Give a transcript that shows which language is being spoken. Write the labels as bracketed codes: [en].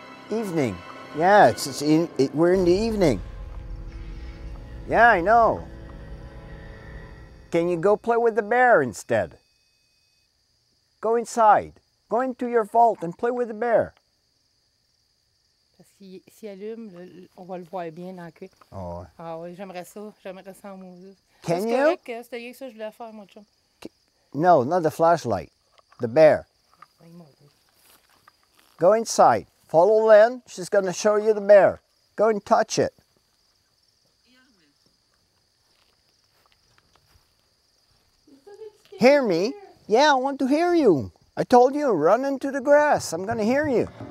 [en] Evening, yeah, we're in the evening. Yeah, I know. Can you go play with the bear instead? Go inside. Go into your vault and play with the bear. [fr] Si allume, on va le voir bien dans la cuisine. Oh. Ah oui, j'aimerais ça en mousse. [en] Can you? [fr] C'est rien que ça je voulais faire, mon chum. [en] No, not the flashlight. The bear. Go inside. Follow Lynn. She's going to show you the bear. Go and touch it. Hear me? Yeah, I want to hear you. I told you, run into the grass. I'm going to hear you.